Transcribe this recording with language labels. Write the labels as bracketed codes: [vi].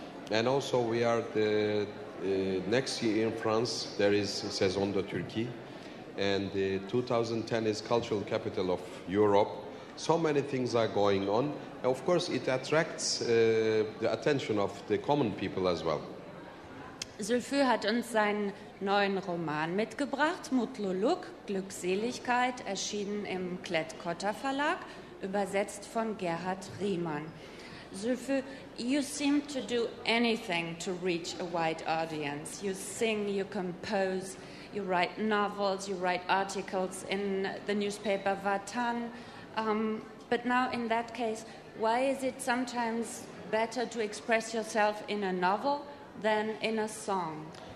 [en] And also we are the next year in France, there is Saison de Turquie. And 2010 is cultural capital of Europe. So many things are going on. Of course, it attracts the attention of the common people as well. [de] Zülfü hat uns seinen neuen Roman mitgebracht, Mutluluk, Glückseligkeit, erschienen im Klett-Cotta Verlag, übersetzt von Gerhard Riemann. [en] Zülfü, you seem to do anything to reach a wide audience. You sing, you compose, you write novels, you write articles in the newspaper Vatan. But now in that case, why is it sometimes better to express yourself in a novel than in a song?